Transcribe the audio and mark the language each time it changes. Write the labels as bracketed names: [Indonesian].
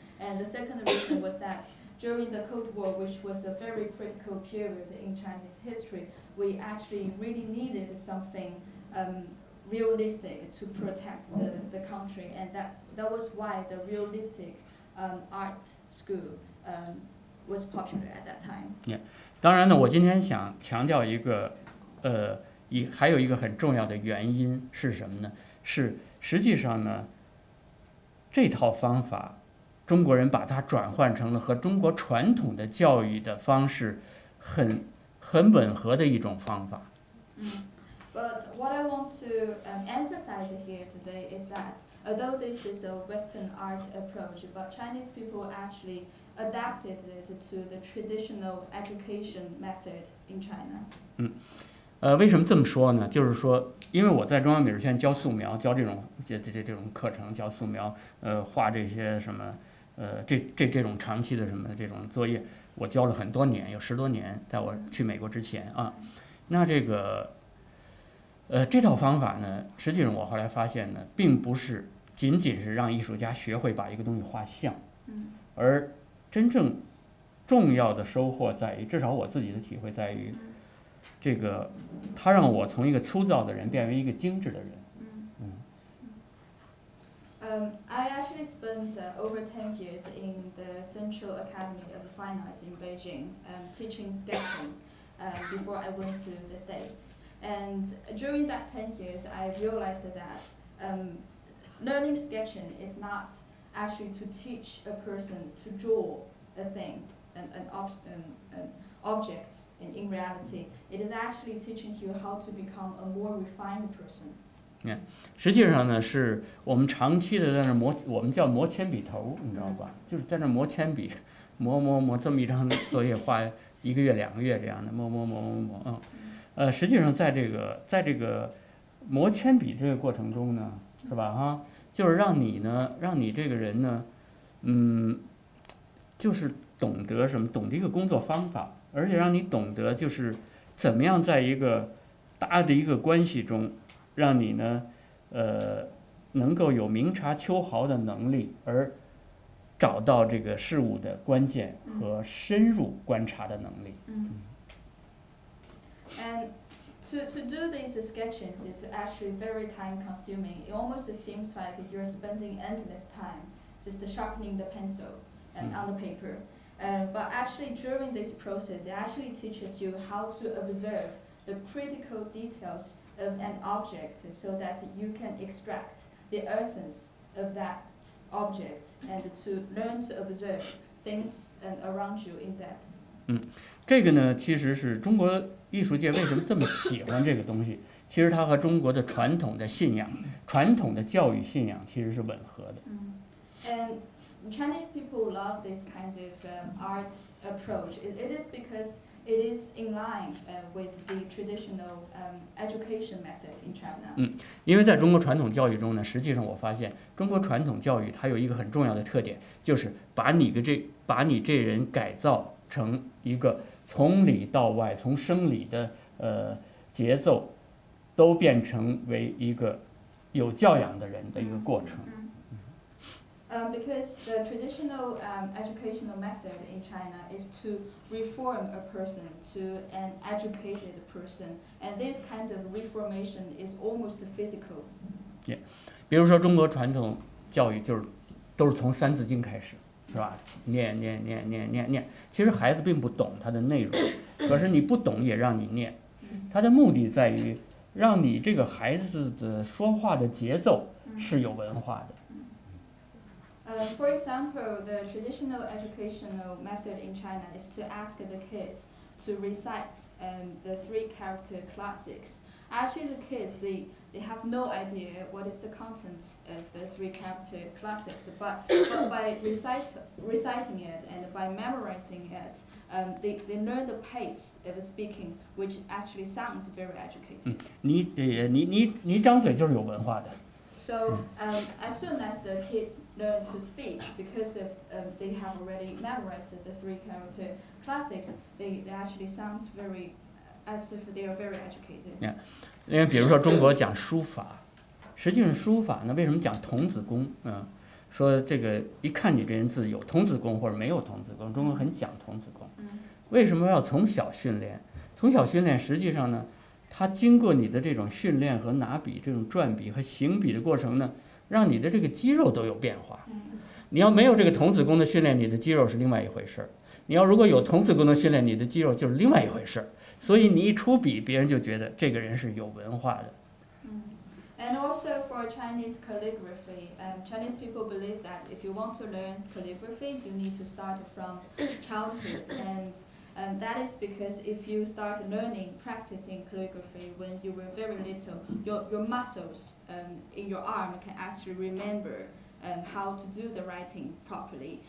[English] And the second reason was that during the Cold War, which was a very critical period in Chinese history, we actually really needed something realistic to protect the country. And that was why the realistic art school was popular at that time. Yeah. [Chinese] 当然呢，我今天想强调一个，还有一个很重要的原因是什么呢？是实际上呢，这套方法，中国人把它转换成了和中国传统的教育的方式很吻合的一种方法。 [English] But what I want to emphasize here today is that although this is a Western art approach, but Chinese people actually adapted it to the traditional education method in China. [Chinese] 为什么这么说呢？就是说，因为我在中央美术学院教素描，教这种课程，教素描，画这些什么，这种长期的什么这种作业，我教了很多年，有十多年，在我去美国之前啊，那这个，这套方法呢，实际上我后来发现呢，并不是仅仅是让艺术家学会把一个东西画像，而真正重要的收获在于，至少我自己的体会在于，这个它让我从一个粗糙的人变为一个精致的人。 [English] I actually spent over 10 years in the Central Academy of Fine Arts in Beijing, teaching sketching, before I went to the States. And during that 10 years, I realized that learning sketching is not actually to teach a person to draw a thing, an object, and in reality, it is actually teaching you how to become a more refined person. [Chinese] Yeah, 实际上呢，是我们长期的在那磨，我们叫磨铅笔头，你知道吧？就是在那磨铅笔，磨磨磨，这么一张作业画一个月、两个月这样的，磨磨磨磨磨，嗯，实际上在这个磨铅笔这个过程中呢，是吧？哈，就是让你呢，让你这个人呢，嗯，就是懂得什么，懂得一个工作方法，而且让你懂得就是怎么样在一个大的一个关系中。让你呢，能够有明察秋毫的能力，而找到这个事物的关键和深入观察的能力。 Mm-hmm. [English] And to do these sketches is actually very time consuming. It almost seems like you're spending endless time just sharpening the pencil and on the paper. But actually, during this process, it actually teaches you how to observe the critical details. Of an object so that you can extract the essence of that object and to learn to observe things and around you in depth. [Chinese] 这个呢其实是中国艺术界为什么这么喜欢这个东西其实它和中国的传统的信仰传统的教育信仰其实是吻合的。 [English] And Chinese people love this kind of art approach. It is because... It is in line with the traditional education method in China. [Chinese] 因为在中国传统教育中呢，实际上我发现中国传统教育它有一个很重要的特点，就是把你这人改造成一个从里到外，从生理的节奏都变成为一个有教养的人的一个过程。 [English] Because the traditional educational method in China is to reform a person to an educated person, and this kind of reformation is almost physical. [Chinese] Yeah, 比如说中国传统教育就是都是从《三字经》开始，是吧？念念念念念念，其实孩子并不懂它的内容，可是你不懂也让你念，它的目的在于让你这个孩子的说话的节奏是有文化的。 [English] For example, the traditional educational method in China is to ask the kids to recite the three character classics. Actually, the kids, they have no idea what is the content of the three character classics, but by reciting it and by memorizing it, they learn the pace of speaking, which actually sounds very educated. [Chinese] 你张嘴就是有文化的。 [English] So as soon as the kids learn to speak, because of they have already memorized the three character classics, they actually sound very as if they are very educated. [Chinese] Yeah, 因为比如说中国讲书法，实际上书法呢，为什么讲童子功？说这个一看你这人字有童子功或者没有童子功，中国很讲童子功。为什么要从小训练？从小训练，实际上呢？它经过你的这种训练和拿笔这种转笔和行笔的过程呢，让你的这个肌肉都有变化。你要没有这个童子功的训练，你的肌肉是另外一回事，你要如果有童子功的训练，你的肌肉就是另外一回事，所以你一出笔，别人就觉得这个人是有文化的。 [English] And also for Chinese calligraphy, Chinese people believe that if you want to learn calligraphy, you need to start from childhood andthat is because if you start learning, practicing calligraphy when you were very little, your muscles in your arm can actually remember how to do the writing properly.